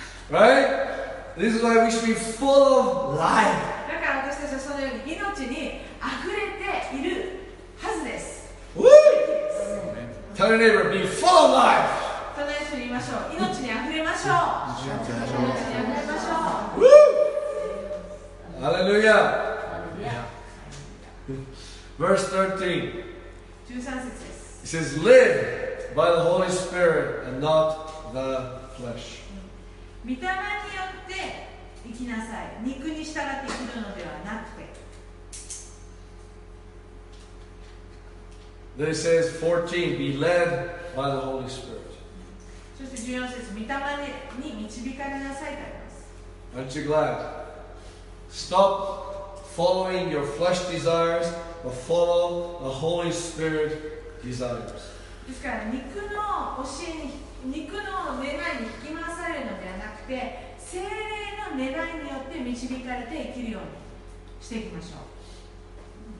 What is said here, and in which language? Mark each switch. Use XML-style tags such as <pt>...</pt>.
<en>Right? This is why we should be full of life.</en> <ja>だから私たちはそのように命に溢れているはずです。 Woo!</ja> <en>Tell your neighbor, be full of life.</en> <ja>隣人に言いましょう。命に溢れましょう。命に溢れましょう。</ja> <en>Woo! Hallelujah. Verse 13.</en> <ja>13節です。</ja> <en>It says, live. By the Holy Spirit and not the flesh.</en> <ja>御霊によって生きなさい。肉に従って生きるのではなくて。</ja> <en>Then it says 14, be led by the Holy Spirit.</en> <ja>そして14節、御霊に導かれなさいとあります。</ja> <en>Aren't you glad? Stop following your flesh desires, but follow the Holy Spirit desires.</en> <ja>ですから肉の教えに肉の願いに引き回されるのではなくて聖霊の願いによって導かれて生きるようにしていきましょう。</ja>